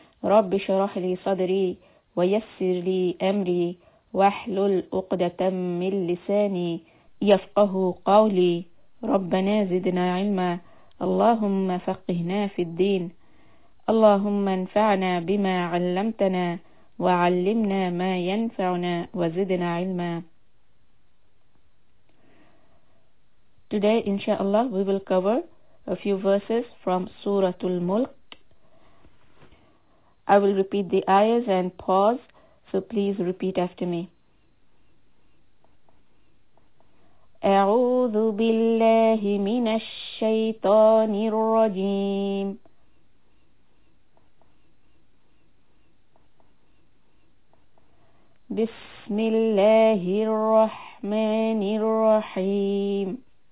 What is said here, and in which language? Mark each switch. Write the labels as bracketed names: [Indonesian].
[Arabic] رب اشرح لي صدري ويسر لي أمري واحلل عقدة من لساني يفقه قولي. ربنا زدنا علما، اللهم فقهنا في الدين، اللهم انفعنا بما علمتنا وعلمنا ما ينفعنا وزدنا علما. [English] Today, inshallah, we will cover a few verses from Surah Al-Mulk. I will repeat the ayahs and pause, so please repeat after me. [Arabic] أعوذ بالله من الشيطان الرجيم. بسم الله الرحمن الرحيم.